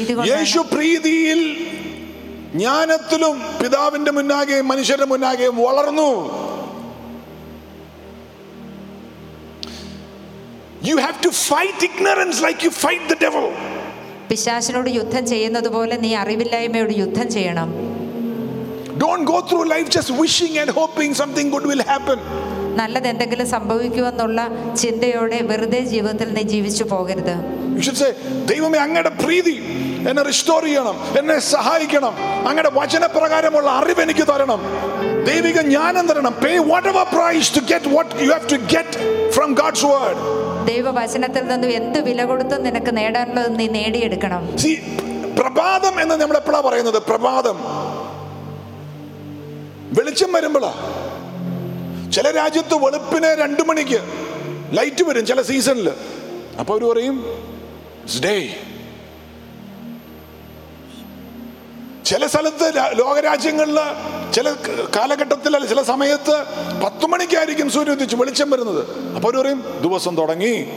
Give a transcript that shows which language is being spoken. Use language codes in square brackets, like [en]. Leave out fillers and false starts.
[ml] യേശു പ്രീതിയിൽ ജ്ഞാനത്തിലും പിതാവിന്റെ മുന്നാകെയും മനുഷ്യരുടെ മുന്നാകെയും വളർന്നു [en] You have to fight ignorance like you fight the devil. [ml] പിശാചിനോട് യുദ്ധം ചെയ്യുന്നത് പോലെ നീ അറിവില്ലായ്മയോട് യുദ്ധം ചെയ്യണം. [en] Don't go through life just wishing and hoping something good will happen. [ml] നല്ലത് എന്തെങ്കിലും സംഭവിക്കുമെന്നുള്ള ചിന്തയോടെ വെറുതെ ജീവിതത്തിൽ നീ ജീവിച്ചു പോകരുത്. [en] You should say, [ml] "ദൈവമേ അങ്ങയുടെ പ്രീതി എന്നെ റിസ്റ്റോർ ചെയ്യണം, എന്നെ സഹായിക്കണം. അങ്ങയുടെ വചനപ്രകാരമുള്ള അറിവ് എനിക്ക് തരണം. ദൈവിക ജ്ഞാനം തരണം. [en] Pay whatever price to get what you have to get from God's word." [ml] ദൈവവചനത്തിൽ നിന്ന് എന്ത് വില കൊടുത്തും നിനക്ക് നേടാനുള്ളത് നീ നേടിയെടുക്കണം. പ്രഭാതം എന്ന് നമ്മൾ എപ്പോഴാ പറയുന്നത് പ്രഭാതം വെളിച്ചം വരുമ്പോളാ ചില രാജ്യത്ത് വെളുപ്പിന് 2 മണിക്ക് ലൈറ്റ് വരും ചില സീസണിൽ അപ്പൊ അവർ പറയും ചില സ്ഥലത്ത് ലോകരാജ്യങ്ങളിൽ ചില കാലഘട്ടത്തിൽ അല്ല ചില സമയത്ത് 10 മണിക്കായിരിക്കും സൂര്യൻ ഉദിച്ച് വെളിച്ചം വരുന്നത് അപ്പൊ അവർ പറയും ദിവസം തുടങ്ങി